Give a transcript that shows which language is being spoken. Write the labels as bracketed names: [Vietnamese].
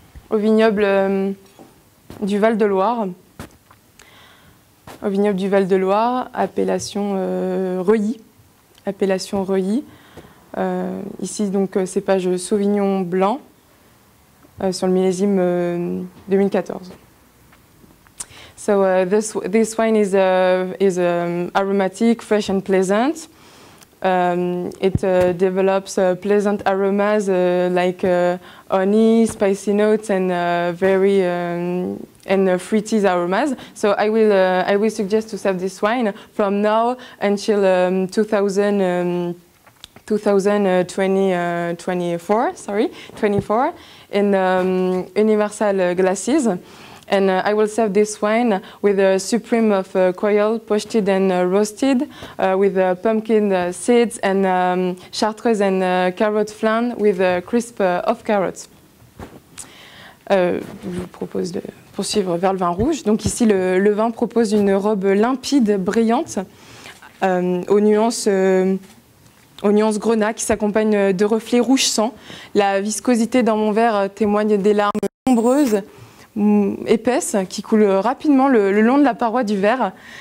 [French] Au vignoble du Val-de-Loire. Au vignoble du Val-de-Loire, appellation Reuilly. Appellation Reuilly. Ici, donc, cépage Sauvignon Blanc sur le millésime 2014. [English] So, this wine is aromatic, fresh and pleasant. It develops pleasant aromas like honey, spicy notes, and very and fruity aromas. So I will suggest to serve this wine from now until 2024 in universal glasses. And I will serve this wine with a supreme of quail, poached and roasted, with pumpkin seeds and chartreuse and carrot flan with a crisp of carrots. [French] Je vous propose de poursuivre vers le vin rouge. Donc ici, le vin propose une robe limpide, brillante, aux nuances grenat qui s'accompagne de reflets rouge sang. La viscosité dans mon verre témoigne des larmes nombreuses, épaisse, qui coule rapidement le long de la paroi du verre.